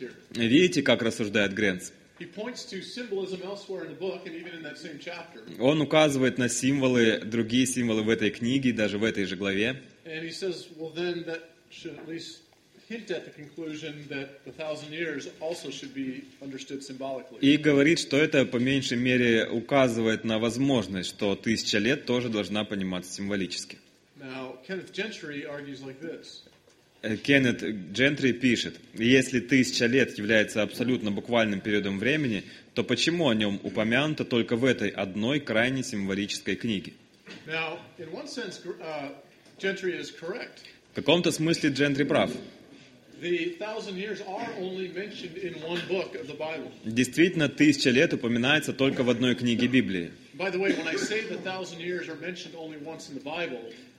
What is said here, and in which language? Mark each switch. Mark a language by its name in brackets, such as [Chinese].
[Russian] Видите, как рассуждает Грэнс? [English] He points to symbolism elsewhere in the book and even in that same chapter. [Russian] Он указывает на символы, другие символы в этой книге, даже в этой же главе. [English] And he says, well, then that should at least hint at the conclusion that the thousand years also should be understood symbolically. [Russian] И говорит, что это по меньшей мере указывает на возможность, что тысяча лет тоже должна пониматься символически. [English] Now, Kenneth Gentry argues like this. [Russian] Кеннет Джентри пишет: «Если тысяча лет является абсолютно буквальным периодом времени, то почему о нем упомянуто только в этой одной крайне символической книге?» [English] Now, in one sense, Gentry is correct. [Russian] В каком-то смысле Джентри прав. [English] The thousand years are only mentioned in one book of the Bible. [Russian] Действительно, тысяча лет упоминается только в одной книге Библии. [English] By the way, when I say the thousand years are mentioned only once in the Bible,